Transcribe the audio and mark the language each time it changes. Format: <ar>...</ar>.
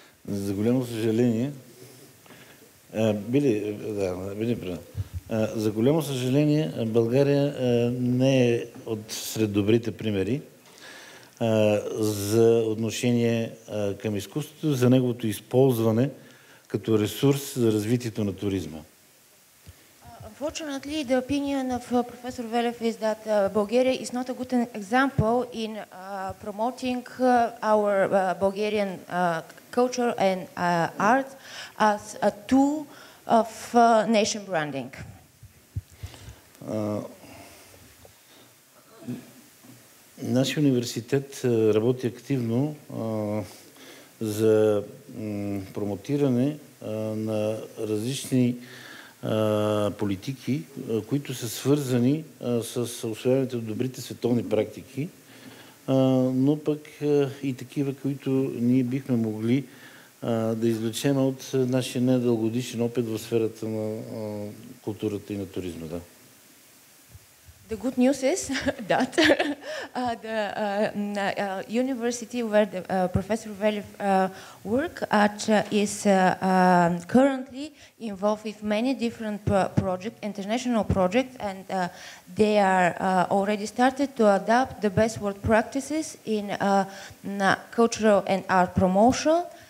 <bg>За голямо съжаление, били, да, били правил. За голямо съжаление, България не е от сред добрите примери за отношение към изкуството, за неговото използване като ресурс за развитието на туризма.</bg> <en>Unfortunately, the opinion of Professor Velev is that Bulgaria is not a good example in promoting our Bulgarian culture and art as a tool of nation branding.</en> <bg>Нашия университет работи активно за промотиране на различни политики, които са свързани с усвояването на добрите световни практики, но пък и такива, които ние бихме могли да извлечем от нашия недългодишен опит в сферата на културата и на туризма. Да.</bg> <en>The good news is that the university where the Professor Velev work at is currently involved with many different projects, international projects, and they are already started to adapt the best world practices in cultural and art promotion.</en>